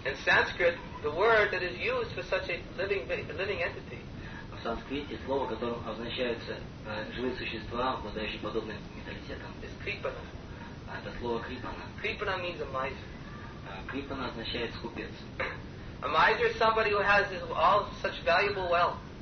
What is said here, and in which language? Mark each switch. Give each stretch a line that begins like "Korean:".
English: In Sanskrit, the word that is used for such a living entity.
Russian: В санскрите слово, которым обозначаются живые существа, обладающие подобным менталитетом. Крипана. Это слово крипана.
English: Крипана means a miser.
Russian: Крипана означает скупец.
English: A miser is somebody who has all such valuable wealth.